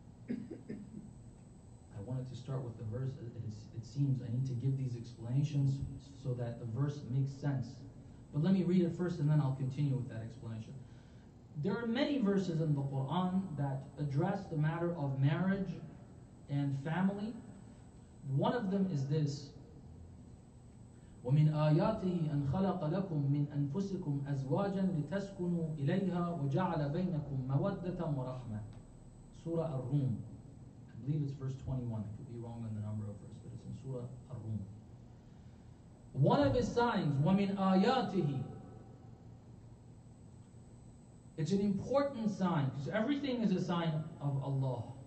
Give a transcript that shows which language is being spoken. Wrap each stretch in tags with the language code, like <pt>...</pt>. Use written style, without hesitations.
<en>I wanted to start with the verse. It seems I need to give these explanations so that the verse makes sense. But let me read it first and then I'll continue with that explanation. There are many verses in the Quran that address the matter of marriage and family.</en> <ar>One of them is this: وَمِنْ آيَاتِهِ أَنْ خَلَقَ لَكُمْ مِنْ أَنْفُسِكُمْ أَزْوَاجًا لِتَسْكُنُوا إِلَيْهَا وَجَعَلَ بَيْنَكُمْ مَوَدَّةً وَرَحْمَةً.</ar> <en>Surah Ar-Rum. I believe it's verse 21. I could be wrong on the number of verses, but it's in Surah Ar-Rum. One of his signs,</en> <ar>وَمِنْ آيَاتِهِ.</ar> <en>It's an important sign, because everything is a sign of Allah.</en>